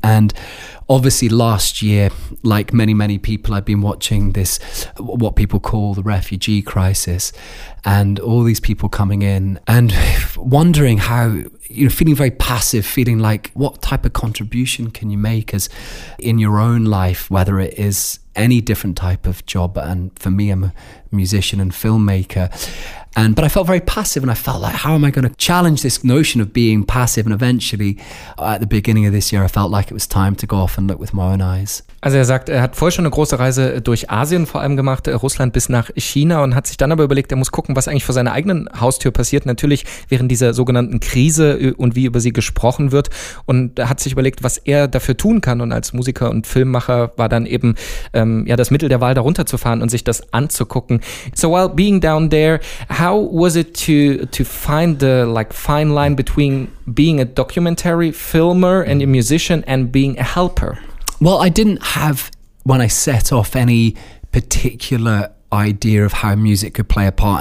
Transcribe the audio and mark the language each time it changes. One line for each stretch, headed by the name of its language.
English: And obviously last year, like many people, I've been watching this, what people call the refugee crisis, and all these people coming in and wondering how, you know, feeling very passive, feeling like what type of contribution can you make as in your own life, whether it is any different type of job. And for me, I'm a musician and filmmaker. But I felt very passive, and I felt like, how am I going to challenge this notion of being passive? And eventually, at the beginning of this year, I felt like it was time to go off and look with my own eyes.
German: Also er sagt, er hat vorher schon eine große Reise durch Asien vor allem gemacht, Russland bis nach China, und hat sich dann aber überlegt, er muss gucken, was eigentlich vor seiner eigenen Haustür passiert, natürlich während dieser sogenannten Krise und wie über sie gesprochen wird, und hat sich überlegt, was er dafür tun kann, und als Musiker und Filmmacher war dann eben das Mittel der Wahl, da runterzufahren und sich das anzugucken.
English: So while being down there, how was it to find the like fine line between being a documentary filmer and a musician and being a helper? Well, I didn't have, when I set off, any particular idea of how music could play a part.